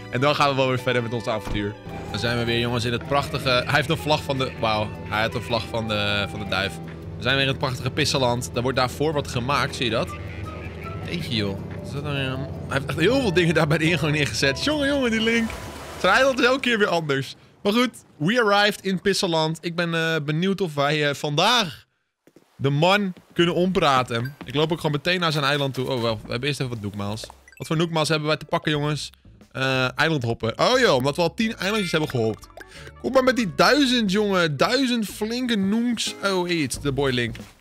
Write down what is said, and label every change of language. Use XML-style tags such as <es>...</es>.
<nl>En dan gaan we wel weer verder met ons avontuur. Dan zijn we weer, jongens, in het prachtige... Hij heeft een vlag van de... Wauw, hij heeft een vlag van de duif. We zijn weer in het prachtige Pisseland. Daar wordt daarvoor wat gemaakt, zie je dat? Eetje, joh. Hij heeft echt heel veel dingen daar bij de ingang neergezet. Jongen, die Link. Zijn eiland is elke keer weer anders. Maar goed,</nl> <en>we arrived in Pisseland.</en> <nl>Ik ben benieuwd of wij vandaag... De man kunnen ompraten. Ik loop ook gewoon meteen naar zijn eiland toe. Oh wel, we hebben eerst even wat noekmaals. Wat voor noekmaals hebben wij te pakken, jongens? Eilandhoppen. Oh joh, omdat we al 10 eilandjes hebben gehopt. Kom maar met die 1000, jongen. 1000 flinke noeks. Oh, iets. De boy Link.</nl>